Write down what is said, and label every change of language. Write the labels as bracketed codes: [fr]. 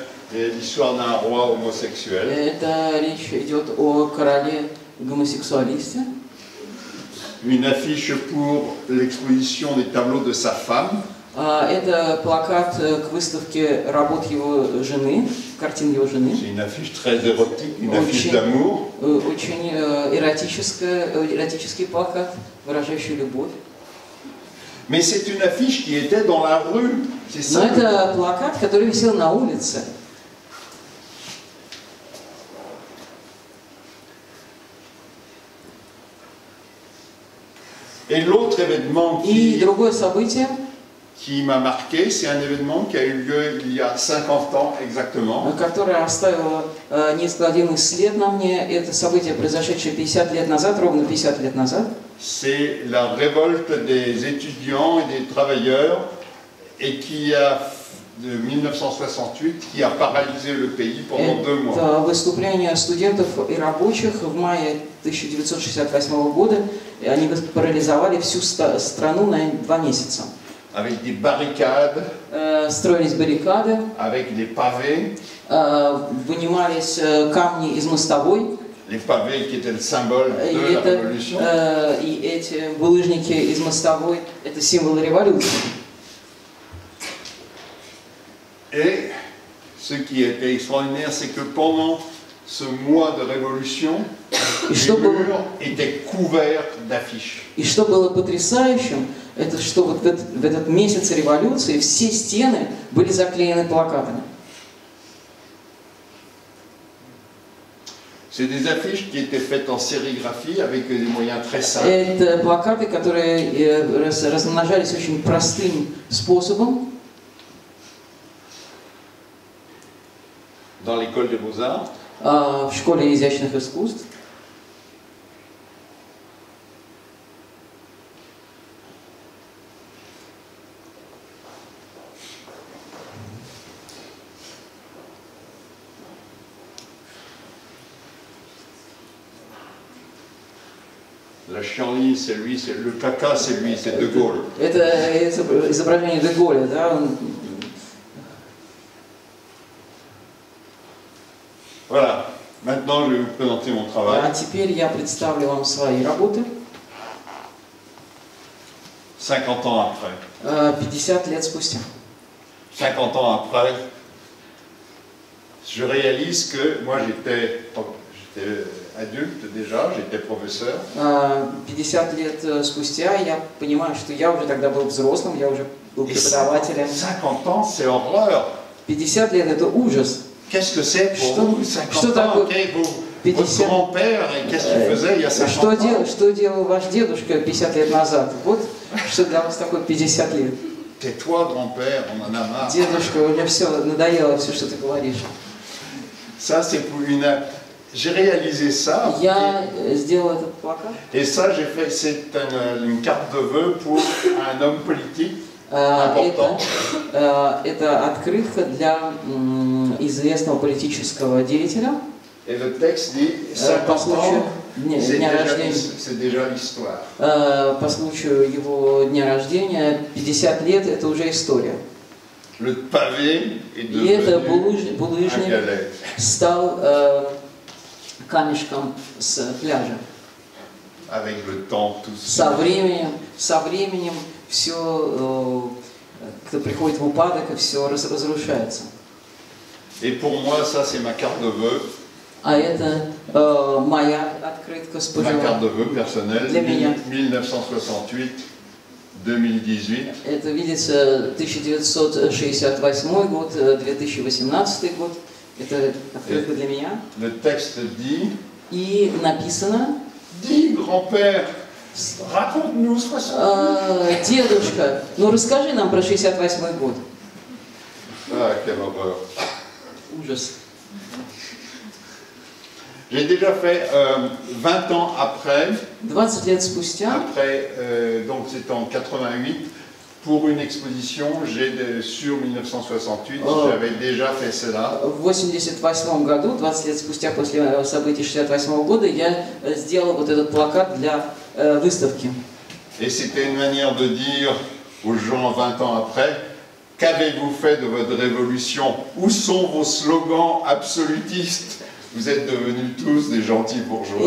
[fr] L'histoire d'un roi homosexuel. [ru] Это речь идет о короле гомосексуалисте. [fr] Une affiche pour l'exposition des tableaux de sa femme. [ru] Это плакат к выставке работ его жены, картин его жены. [fr] C'est une affiche très érotique, une affiche d'amour. [ru] Очень эротический плакат, выражающий любовь. [fr] Mais c'est une affiche qui était dans la rue. C'est ça. [ru] Но это плакат, который висел на улице. [fr] Et l'autre événement qui [ru] другое событие, [fr] qui m'a marqué, c'est un événement qui a eu lieu il y a 50 ans exactement. [ru] Которое оставило неизгладимый след на мне, это событие, произошедшее 50 лет назад, ровно 50 лет назад. [fr] C'est la révolte des étudiants et des travailleurs et qui a de 1968 qui a paralysé le pays pendant deux mois. [ru] Это выступление студентов и рабочих в мае 1968 года, и они парализовали всю страну на два месяца. [fr] Avec des barricades. [ru] Строились баррикады. [fr] Avec des pavés. [ru] Вынимались камни из мостовой. [fr] Les pavés qui étaient le symbole de la révolution. [ru] И эти булыжники из мостовой – это символ революции. [fr] Et ce qui était extraordinaire, c'est que pendant ce mois de révolution, les murs étaient couverts d'affiches. [ru] И что было потрясающим, это что вот в этот месяц революции все стены были заклеены плакатами. [fr] C'est des affiches qui étaient faites en sérigraphie avec des moyens très simples. [ru] Это плакаты, которые размножались очень простым способом. [fr] Dans l'école des beaux-arts. [ru] В школе изящных искусств. [fr] La chienlit, c'est lui, c'est le caca, c'est lui, c'est De Gaulle. [ru] Это изображение Де Голля, да? [fr] Voilà. Maintenant, je vais vous présenter mon travail. [ru] А теперь я представлю вам свои работы. [fr] 50 ans après. [ru] 50 лет спустя. [fr] 50 ans après, je réalise que moi j'étais adulte déjà, j'étais professeur. [ru] 50 лет спустя я понимаю, что я уже тогда был взрослым, я уже был преподавателем. [fr] 50 ans, c'est horreur. [ru] 50 лет это ужас. [fr] Qu'est-ce que c'est pour [ru] что, [fr] vous, 50 [ru] что [fr] ans, [ru] такое, [fr] okay, vous, 50... Votre grand-père, qu'est-ce qu'il faisait il y a 50 [ru] что [fr] ans? [ru] Что делал ваш дедушка 50 лет назад? Вот что для вас такое 50 лет. [fr] Тais-toi, grand-père, on en a marre. [ru] Дедушка, мне все надоело, все, что ты говоришь. [fr] Ça, c'est pour une... J'ai réalisé ça. [ru] Я сделал этот плакат. [fr] Et ça, j'ai fait, c'est une carte de vœux pour un homme politique. [ru] Это открытка для известного политического деятеля. [fr] Et le texte dit, [ru] по случаю дня рождения. По случаю его дня рождения, 50 лет это уже история. [fr] Le pavé est devenu. [ru] И это булыжник стал камешком с пляжа. [fr] Avec le temps, tout [ru] со временем, все, кто приходит в упадок, и все разрушается. [fr] Et pour moi, ça, c'est ma carte de vœux. [ru] А это моя открытка с пожеланием. [fr] Ma carte de vœux personnelle. [ru] Для меня. 1968-2018. Это видится 1968 год, 2018 год. Это открытка для меня. [fr] Le texte dit. [ru] И написано. [fr] Dis, grand-père. Raconte-nous 68. [ru] Дедушка, ну расскажи нам про 68 год. [fr] Ah, quelle horreur. [ru] Ужас. [fr] J'ai déjà fait 20 ans après. [ru] 20 лет спустя. [fr] Après, donc c'était en 88, pour une exposition, j'ai sur 1968, j'avais déjà fait cela. [ru] В 88 году, 20 лет спустя после событий 68 года, я сделал вот этот плакат для выставки. [fr] Et c'était une manière de dire aux gens 20 ans après, qu'avez-vous fait de votre révolution? Où sont vos slogans absolutistes? Vous êtes devenus tous des gentils bourgeois.